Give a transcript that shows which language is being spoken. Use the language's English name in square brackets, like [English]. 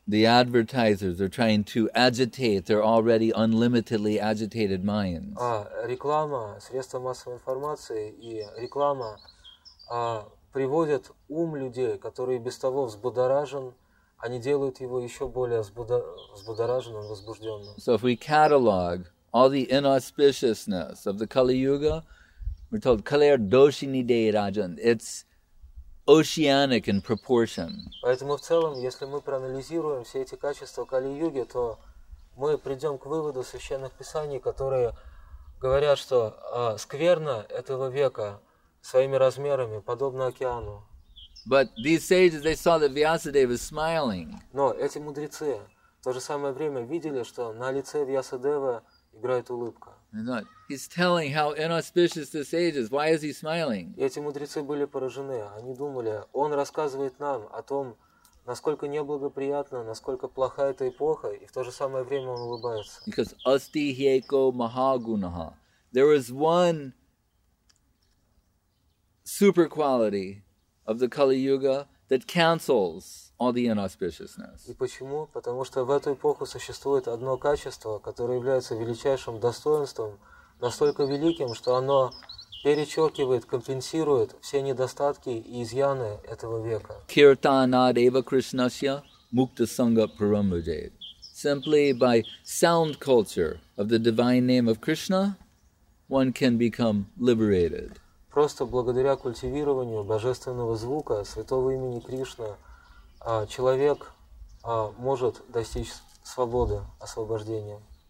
[English] The advertisers are trying to agitate their already unlimitedly agitated minds. [Russian] Реклама, средства массовой информации и реклама приводят ум людей, который без того взбудоражен, они делают его еще более взбудораженным, возбужденным. [English] So if we catalog all the inauspiciousness of the Kali Yuga, we're told [Sanskrit] Kalair Doshini Dei Rajan. [English] It's oceanic in proportion. [Russian] Поэтому в целом, если мы проанализируем все эти качества Кали-Юги, то мы придем к выводу священных писаний, которые говорят, что скверна этого века своими размерами подобна океану. [English] But these sages, they saw that Vyasadeva was smiling. [Russian] Но эти мудрецы в то же самое время видели, что на лице Вьясадевы играет улыбка. [English] He's telling how inauspicious this age is. Why is he smiling? [Russian] Эти мудрецы были поражены. Они думали, он рассказывает нам о том, насколько неблагоприятно, насколько плоха эта эпоха, и в то же самое время он улыбается. [Sanskrit] Because asti hyeko mahagunaha. [English] There is one super quality of the Kali Yuga that cancels all the inauspiciousness. [Russian] И почему? Потому что в эту эпоху существует одно качество, которое является величайшим достоинством, настолько великим, что оно перечеркивает, компенсирует все недостатки и изъяны этого века. [Sanskrit] Kirtana Deva Krishnasya Mukta Sangha Paramujayat. [English] Simply by sound culture of the divine name of Krishna, one can become liberated. [Russian] Просто благодаря культивированию божественного звука святого имени Кришна человек может достичь свободы, освобождения.